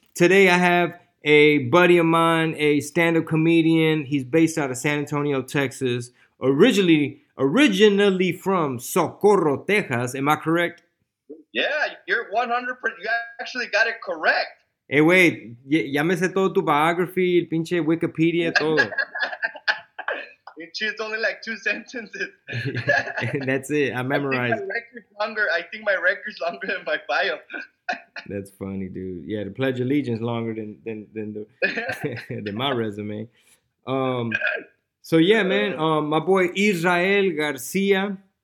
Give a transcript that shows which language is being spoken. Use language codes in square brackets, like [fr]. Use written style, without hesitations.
[en] Today I have a buddy of mine, a stand-up comedian. He's based out of San Antonio, Texas. Originally from Socorro, Texas. Am I correct? Yeah, you're 100%. You actually got it correct. Hey, wait. [es] Ya me sé todo tu biography, el pinche Wikipedia, todo. [en] It's only like two sentences. That's it. I memorized. I think my record's longer than my bio. That's funny, dude. Yeah, the Pledge of Allegiance longer than my resume. So yeah, man. My boy Israel Garcia.